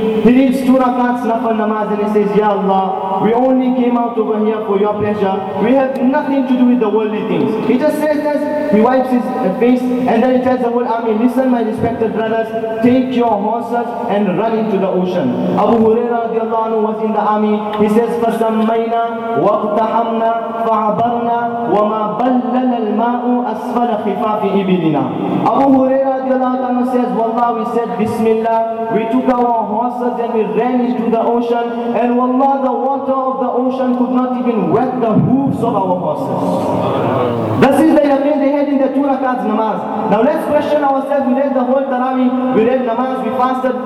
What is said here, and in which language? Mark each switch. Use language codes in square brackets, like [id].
[en] He reads 2 rakats, nafal namaz, and he says, Ya Allah, we only came out over here for your pleasure. We have nothing to do with the worldly things. He just says this, he wipes his face, and then he tells the whole army, listen, my respected brothers, take your horses and run into the ocean. Abu Huraira radiallahu anhu was in the army. He says, [ar] فَسَمَّيْنَا وَاقْتَحَمْنَا فَعَبَرْنَا وَمَا بَلَّلَ الْمَاءُ أَسْفَلَ خِفَافِ إِبِلِنَا. [en] Abu Huraira radiallahu anhu says, Wallah, we said, Bismillah, we took our horses and we ran into the ocean, and Wallah, the water of the ocean could not even wet the hooves of our horses. This is the yaqeen they had in the 2 rakats namaz. Now let's question ourselves, we read the whole tarawih, we read namaz, we fasted.